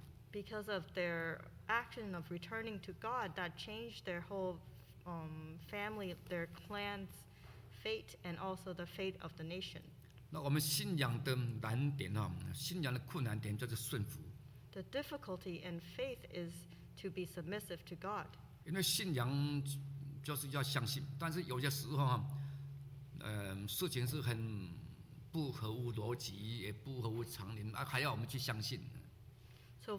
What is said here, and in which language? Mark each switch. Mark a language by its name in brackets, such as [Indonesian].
[English] Because of their action of returning to God, that changed their whole family, their clan's fate, and also the fate of the nation. [Chinese] 那我们信仰的难点啊，信仰的困难点就是顺服。 [English] The difficulty in faith is to be submissive to God. [Chinese] 因为信仰就是要相信，但是有些时候啊。事情是很不合乎逻辑，也不合乎常理，还要我们去相信。 [English] So